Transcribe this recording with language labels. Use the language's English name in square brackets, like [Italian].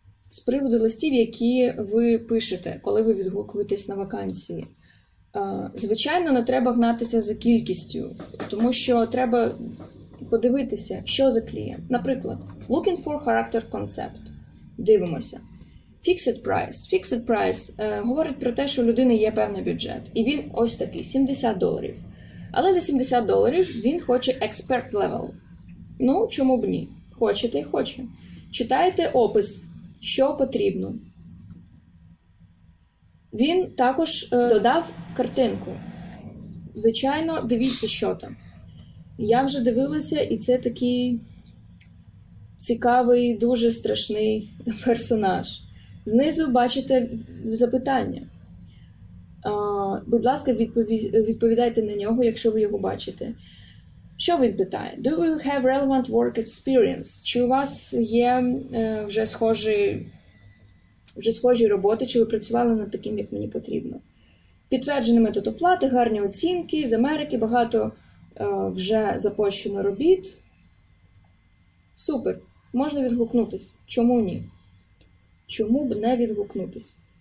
[Ukrainian] З приводу листів, які ви пишете, коли ви відгукуєтесь на вакансії. Звичайно, не треба гнатися за кількістю, тому що треба подивитися, що за клієнт. Наприклад, [English] looking for character concept. [Ukrainian] Дивимося. Fixed price говорить про те, що у людини є певний бюджет. І він ось такий, $70. Але за $70 він хоче expert level. Ну, чому б ні? Хоче та й хоче. Читайте опис, що потрібно. Він також додав картинку. Звичайно, дивіться, що там. Я вже дивилася, і це такий цікавий, дуже страшний персонаж. Знизу бачите запитання. Будь ласка, відповідайте на нього, якщо ви його бачите. Що він питає? [English] Do you have relevant work experience? [Ukrainian] Чи у вас є вже схожі роботи, чи ви працювали над таким, як мені потрібно? Підтверджений метод оплати, гарні оцінки, з Америки багато вже запущено робіт. Супер, можна відгукнутись. Чому ні? Чому б не відгукнутись?